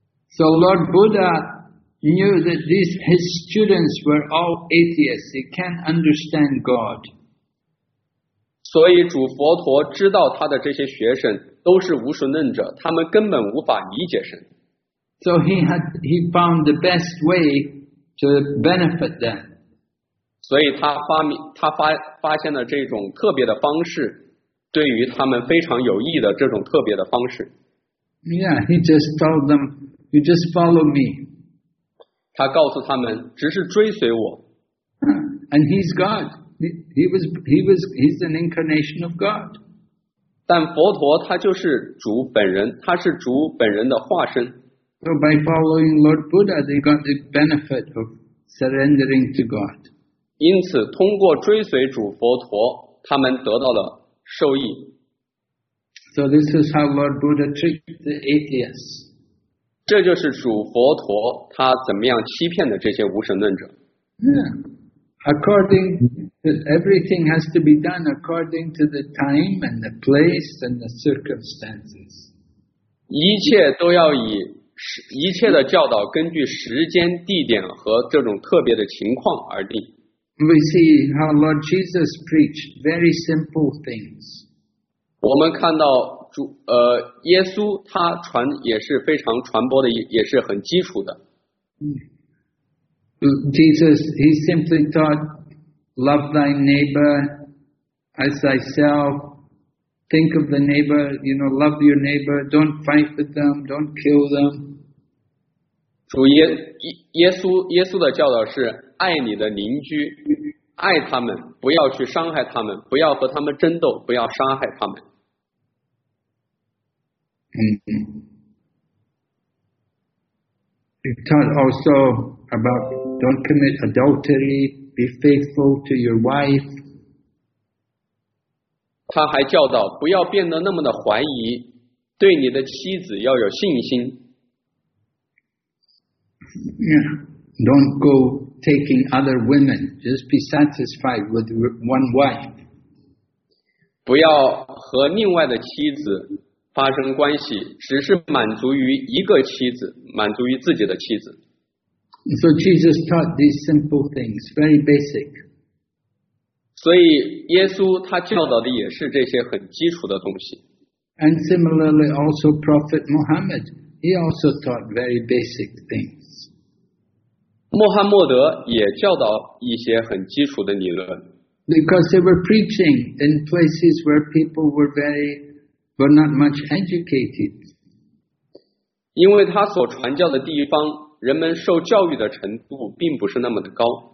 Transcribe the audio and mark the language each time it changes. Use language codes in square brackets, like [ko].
[en] So Lord Buddha knew that these, his students were all atheists. They can't understand God. [zh] 所以主佛陀知道他的这些学生都是无神论者，他们根本无法理解神。 [en] So he found the best way to benefit them. [zh] 所以他发现了这种特别的方式，对于他们非常有益的这种特别的方式。 [en] Yeah, he just told them, you just follow me. [zh] 他告诉他们，只是追随我。 [en] And he's God. He's an incarnation of God. [zh] 但佛陀他就是主本人，他是主本人的化身。 [en] So by following Lord Buddha, they got the benefit of surrendering to God. [zh] 因此，通过追随主佛陀，他们得到了受益。 [en] So this is how Lord Buddha tricked the atheists. [zh] 这就是主佛陀他怎么样欺骗的这些无神论者。 [en] Yeah. According to everything has to be done according to the time and the place and the circumstances. [zh] 一切都要以一切的教导根据时间、地点和这种特别的情况而定。 [en] We see how Lord Jesus preached very simple things. [zh] 我们看到主耶稣他传也是非常传播的，也是很基础的。 [en] Jesus, he simply taught, love thy neighbor as thyself. Think of the neighbor, you know, love your neighbor, don't fight with them, don't kill them. [zh] 主 耶稣的教导是爱你的邻居，爱他们，不要去伤害他们，不要和他们争斗，不要杀害他们。 [en] He taught also about don't commit adultery, be faithful to your wife. [zh] 他还教导不要变得那么的怀疑，对你的妻子要有信心。 [en] Yeah, don't go taking other women. Just be satisfied with one wife. [zh] 不要和另外的妻子发生关系，只是满足于一个妻子，满足于自己的妻子。 [en] So Jesus taught these simple things, very basic. [zh] 所以耶稣他教导的也是这些很基础的东西。 [en] And similarly also Prophet Muhammad, he also taught very basic things. [zh] 穆罕默德也教导一些很基础的理论。 [en] Because they were preaching in places where people were not much educated. [zh] 因为他所传教的地方，人们受教育的程度并不是那么的高。